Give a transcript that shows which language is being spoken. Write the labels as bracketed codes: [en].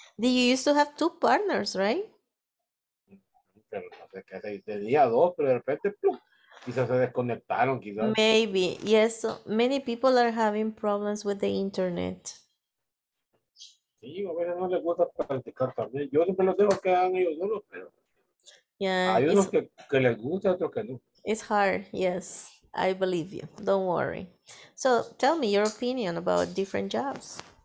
[en] Did you used to have two partners, right? [es] pero no sé qué, se día dos, pero de repente, ¡plum! Quizás se desconectaron, quizás. [en] Maybe, yes. So many people are having problems with the internet. [es] Sí, a veces no les gusta practicar también. Yo siempre los dejo que hagan ellos solos, pero [en] yeah, [es] hay unos que les gusta, otros que no. [en] It's hard, yes. I believe you. Don't worry. So tell me your opinion about different jobs.